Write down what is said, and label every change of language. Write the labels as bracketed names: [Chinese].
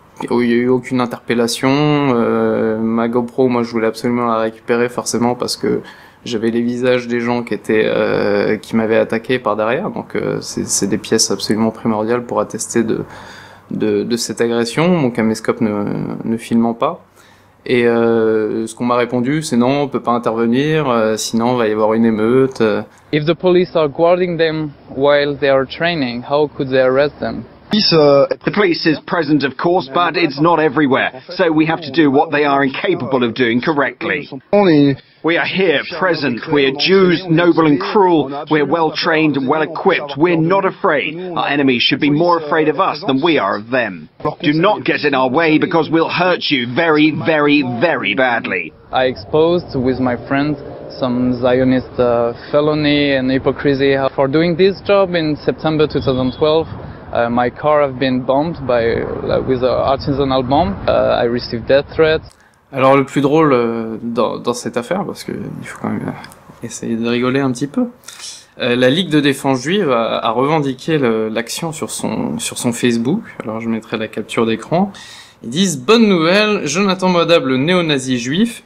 [French] Il y a eu aucune interpellation. Ma GoPro, moi, je voulais absolument la récupérer, forcément, parce que j'avais les visages des gens qui m'avaient attaqué par derrière, donc c'est des pièces absolument primordiales pour attester de cette agression, mon caméscope ne filmant pas. Et ce qu'on m'a répondu, c'est non, on peut pas intervenir, sinon il va y avoir une émeute. [English] If the police are guarding them while they are training, how could they arrest them? The police is present, of course, but it's not everywhere. So we have to do what they are incapable of doing correctly. We are here, present. We're Jews, noble and cruel. We're well-trained and well-equipped. We're not afraid. Our enemies should be more afraid of us than we are of them. Do not get in our way because we'll hurt you very, very, very badly. I exposed with my friends some Zionist felony and hypocrisy for doing this job in September 2012. My car have been bombed by with an artisanal bomb. I received death threats. [French] Alors le plus drôle dans cette affaire, parce que il faut quand même essayer de rigoler un petit peu, la Ligue de défense juive a revendiqué l'action sur son Facebook. Alors je mettrai la capture d'écran. Ils disent bonne nouvelle, Jonathan Moadab, le néo-nazi juif.